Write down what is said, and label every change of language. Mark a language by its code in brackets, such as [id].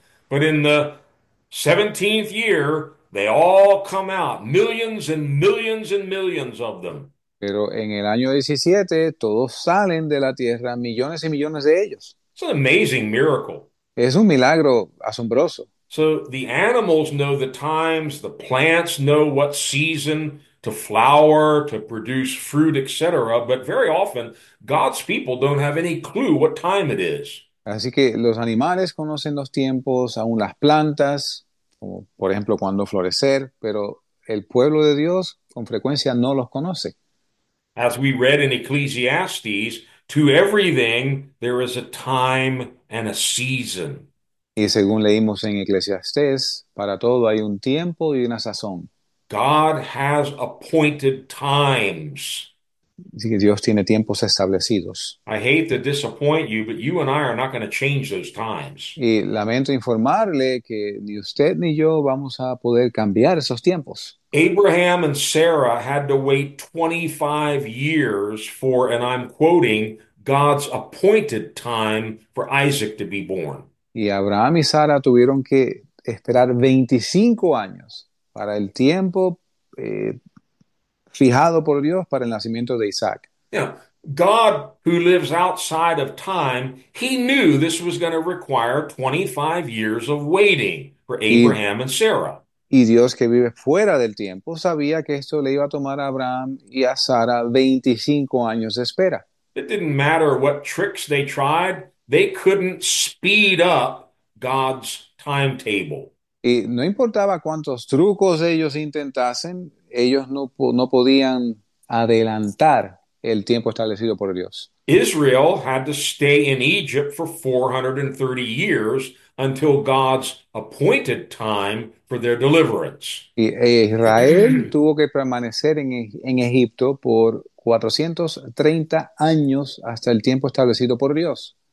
[en] But in the 17th year, they all come out, millions and millions and millions of them. [es] Pero en el año 17 todos salen de la tierra, millones y millones de ellos. [en] It's an amazing miracle. [es] Es un milagro asombroso. [en] So the animals know the times, the plants know what season to flower, to produce fruit, etc. But very often, God's people don't have any clue what time it is. [es] Así que los animales conocen los tiempos, aún las plantas, como por ejemplo cuando florecer, pero el pueblo de Dios con frecuencia no los conoce. [en] As we read in Ecclesiastes, to everything there is a time and a season. [es] Y según leímos en Eclesiastés, para todo hay un tiempo y una sazón. [en] God has appointed times. [es] Así que Dios tiene tiempos establecidos. [en] I hate to disappoint you, but you and I are not going to change those times. [es] Y lamento informarle que ni usted ni yo vamos a poder cambiar esos tiempos. [en] Abraham and Sarah had to wait 25 years for, and I'm quoting, God's appointed time for Isaac to be born. [es] Y Abraham y Sara tuvieron que esperar 25 años para el tiempo fijado por Dios para el nacimiento de Isaac. [en] Yeah. God, who lives outside of time, he knew this was going to require 25 years of waiting for [es] Y [en] Abraham and Sarah. [es] Dios, que vive fuera del tiempo, sabía que esto le iba a tomar a Abraham y a Sara 25 años de espera. [en] It didn't matter what tricks they tried, they couldn't speed up God's timetable. [es] Y no importaba cuántos trucos ellos intentasen, ellos no podían adelantar el tiempo establecido por Dios. [en] Israel had to stay in Egypt for 430 years until God's appointed time for their deliverance. [es] Israel tuvo que permanecer en Egipto por 430 años hasta el tiempo establecido por Dios.